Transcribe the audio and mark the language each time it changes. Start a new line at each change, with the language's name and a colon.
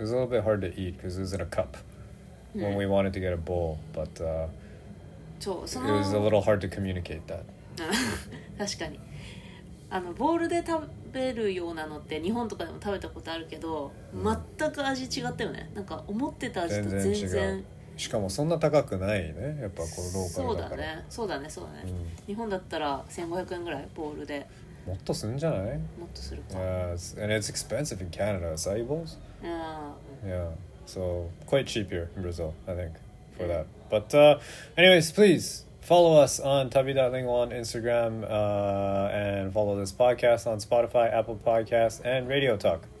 English: was a little bit hard to eat because it was in a cup when we wanted to get a bowl, but
Japanese: そう、その...
English: it was a little hard to communicate that.
Japanese: 確かにあのボールで食べるようなのって日本とかでも食べたことあるけど、うん、全く味違ったよね。なんか思ってた味と全然しかもそんな高くないね。やっぱこのローカルだから。そうだね、うん、日本だったら1500円ぐらいボールで。もっとするんじゃない？もっとするか。
English: Yeah, and it's expensive in Canada, acai bowls. Yeah. Yeah, so quite cheap here in Brazil, I think, for that. But anyways, please. Follow us on tabi.lingua on Instagram and follow this podcast on Spotify, Apple Podcasts, and Radio Talk.